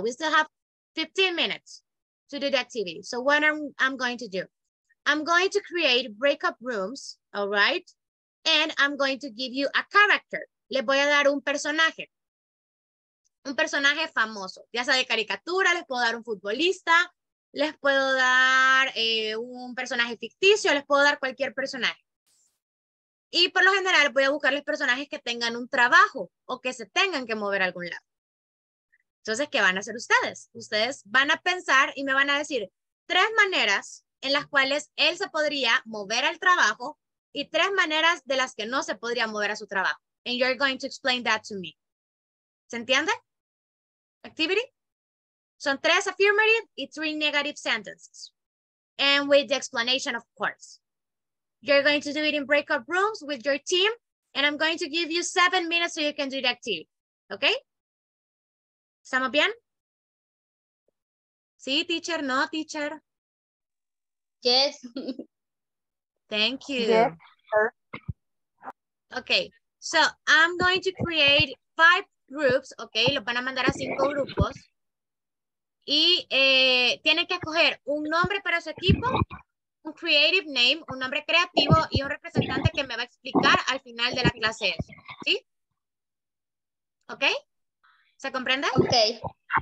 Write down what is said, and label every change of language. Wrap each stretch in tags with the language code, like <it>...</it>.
<en>We still have 15 minutes to do the activity. So what I'm going to do? I'm going to create breakout rooms, all right? And I'm going to give you a character.</en> <es>Le voy a dar un personaje. Un personaje famoso, ya sea de caricatura, les puedo dar un futbolista, les puedo dar un personaje ficticio, les puedo dar cualquier personaje. Y por lo general voy a buscar los personajes que tengan un trabajo o que se tengan que mover a algún lado. Entonces, ¿qué van a hacer ustedes? Ustedes van a pensar y me van a decir tres maneras en las cuales él se podría mover al trabajo y tres maneras de las que no se podría mover a su trabajo.</es> <en>And you're going to explain that to me. ¿Se entiende? Activity.</en> <es>Son tres</es> <en>affirmative y three negative sentences. and with the explanation, of course. You're going to do it in breakout rooms with your team, and I'm going to give you 7 minutes so you can do the activity.</en> <es>Okay? ¿Estamos bien? Sí, teacher, no, teacher.</es> <en>Yes. Thank you. Yeah. Okay, so I'm going to create 5 groups, okay?</en> <es>Los van a mandar a 5 grupos. Y tienen que escoger un nombre para su equipo, un</es> <en>creative name,</en> <es>un nombre creativo y un representante que me va a explicar al final de la clase. ¿Sí? ¿Ok? ¿Se comprende? Ok.</es>